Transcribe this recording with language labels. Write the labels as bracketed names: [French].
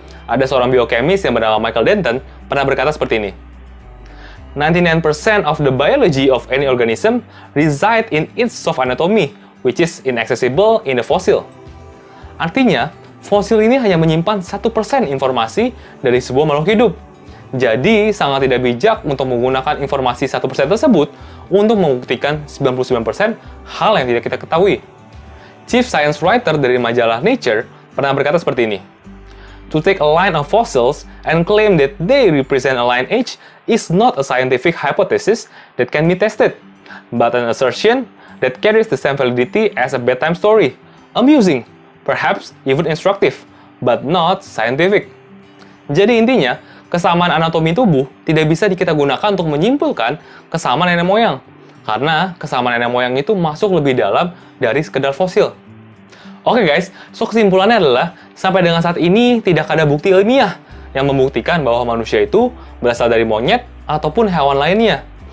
[Indonesian] Ada seorang biokemis yang bernama Michael Denton pernah berkata seperti ini, [English] 99% of the biology of any organism reside in its soft anatomy, which is inaccessible in the fossil. [Indonesian] Artinya, fosil ini hanya menyimpan 1% informasi dari sebuah makhluk hidup. Jadi, sangat tidak bijak untuk menggunakan informasi 1% tersebut untuk membuktikan 99% hal yang tidak kita ketahui. [English] Chief Science Writer [Indonesian] dari majalah Nature pernah berkata seperti ini, [English] "To take a line of fossils and claim that they represent a lineage is not a scientific hypothesis that can be tested, but an assertion that carries the same validity as a bedtime story. Amusing, perhaps even instructive, but not scientific." [Indonesian] Jadi intinya, kesamaan anatomi tubuh tidak bisa kita gunakan untuk menyimpulkan kesamaan nenek moyang, karena kesamaan nenek moyang itu masuk lebih dalam dari sekedar fosil. Oke guys, so kesimpulannya adalah, sampai dengan saat ini tidak ada bukti ilmiah yang membuktikan bahwa manusia itu berasal dari monyet ataupun hewan lainnya.